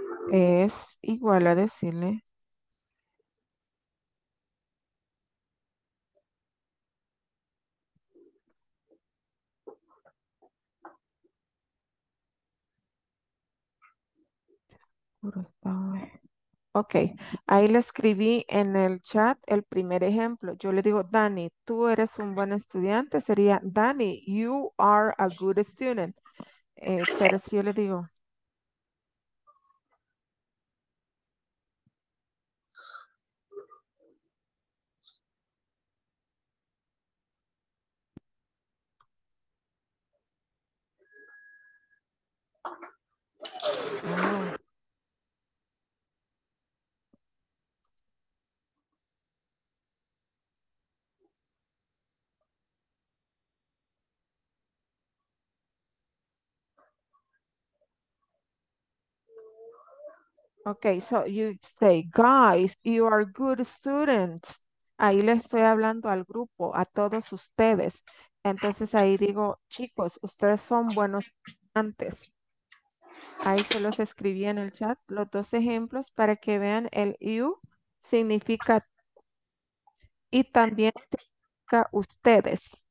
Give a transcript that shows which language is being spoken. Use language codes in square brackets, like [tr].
[es] Es igual a decirle, ok, ahí le escribí en el chat el primer ejemplo. Yo le digo, Dani, tú eres un buen estudiante. [en] Sería, Dani, you are a good student. [es] Pero si yo le digo, [en] okay, so you say, guys, you are good students. [es] Ahí le estoy hablando al grupo, a todos ustedes. Entonces ahí digo, chicos, ustedes son buenos estudiantes. Ahí se los escribí en el chat, los dos ejemplos, para que vean el you significa y también significa ustedes.